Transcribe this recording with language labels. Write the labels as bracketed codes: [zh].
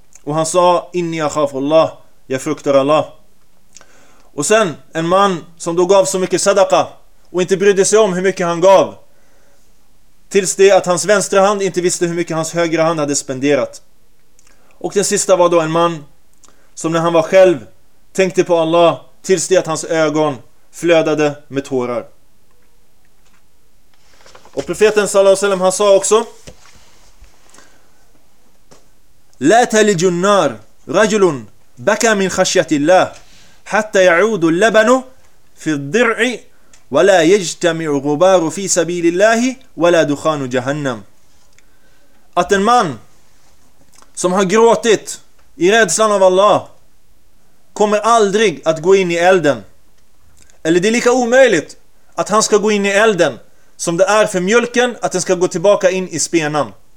[sv] Och han sa, [ar] inni akhafu Allah, [sv] jag fruktar Allah. Och sen en man som då gav så mycket sadaqa och inte brydde sig om hur mycket han gav, tills det att hans vänstra hand inte visste hur mycket hans högra hand hade spenderat. Och den sista var då en man som när han var själv tänkte på Allah, tills det att hans ögon flödade med tårar. Och profeten sallallahu alaihi wasallam, han sa också, [ar] لا تلج النار رجل بكى من خشية الله حتى يعود اللبن في الضرع ولا يجتمع غبار في سبيل الله ولا دخان جهنم. [sv] Att en man som har gråtit i rädslan av Allah kommer aldrig att gå in i elden. Eller det är lika omöjligt att han ska gå in i elden som det är för mjölken att den ska gå tillbaka in i spenan.